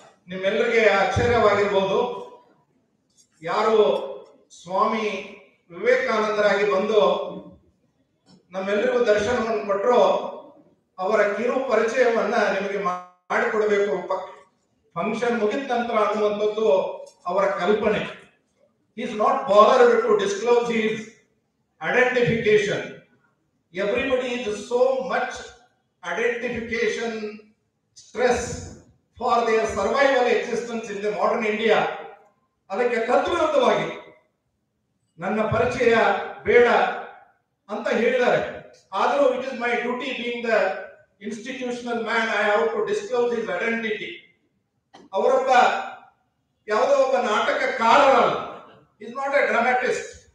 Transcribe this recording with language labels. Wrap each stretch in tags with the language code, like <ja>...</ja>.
<kn>ನಿಮ್ಮೆಲ್ಲರಿಗೆ ಆಶ್ಚರ್ಯವಾಗಿರ್ಬೋದು, ಯಾರು ಸ್ವಾಮಿ ವಿವೇಕಾನಂದರಾಗಿ ಬಂದು ನಮ್ಮೆಲ್ಲರಿಗೂ ದರ್ಶನವನ್ನು ಕೊಟ್ಟರು, ಅವರ ಕಿರು ಪರಿಚಯವನ್ನ ನಿಮಗೆ ಮಾಡಿಕೊಡಬೇಕು. ಫಂಕ್ಷನ್ ಮುಗಿದ ನಂತರ ಅನ್ನುವಂಥದ್ದು ಅವರ ಕಲ್ಪನೆ.</kn> <en>Is not bothered to disclose his identification. Everybody is so much identification stress for their survival existence in the modern India.</en> <kn>ಅದಕ್ಕೆ ತದ್ವಿರುದ್ಧವಾಗಿ ನನ್ನ ಪರಿಚಯ ಬೇಡ ಅಂತ ಹೇಳಿದ್ದಾರೆ. ಆದರೂ</kn> <en>It is my duty being the institutional man, I have to disclose his identity.</en> <kn>ಅವರೊಬ್ಬ ಯಾವುದೋ ಒಬ್ಬ ನಾಟಕಕಾರರಲ್ಲ,</kn> <en>Is not a dramatist.</en>